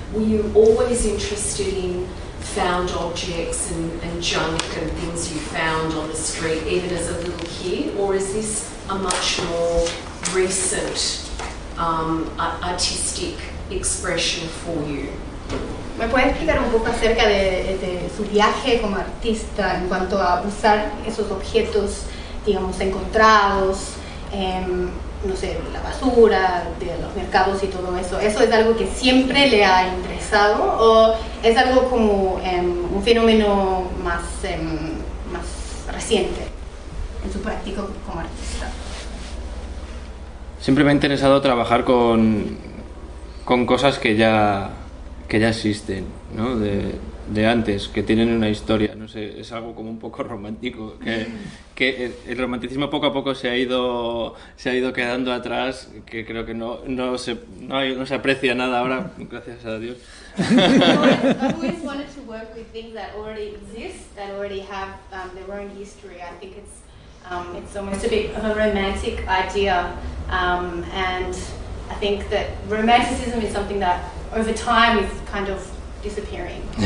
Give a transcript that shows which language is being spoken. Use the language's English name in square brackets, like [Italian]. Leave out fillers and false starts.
[English] Were you always interested in found objects and junk and things you found on the street, even as a little kid, or is this a much more recent artistic expression for you? [Spanish] ¿Me puede explicar un poco acerca de su viaje como artista en cuanto a usar esos objetos, digamos, encontrados, no sé, la basura, de los mercados y todo eso? ¿Eso es algo que siempre le ha interesado o es algo como un fenómeno más, más reciente en su práctica como artista? Siempre me ha interesado trabajar con cosas que ya existen, ¿no? De antes, que tienen una historia. No sé, es algo como un poco romántico, que el romanticismo poco a poco se ha ido quedando atrás, que creo que no se aprecia nada ahora, gracias a Dios. [English] I've always wanted to work with things that already exist, that already have their own history. I think it's almost a bit of a romantic idea, and I think that romanticism is something that over time is kind of disappearing.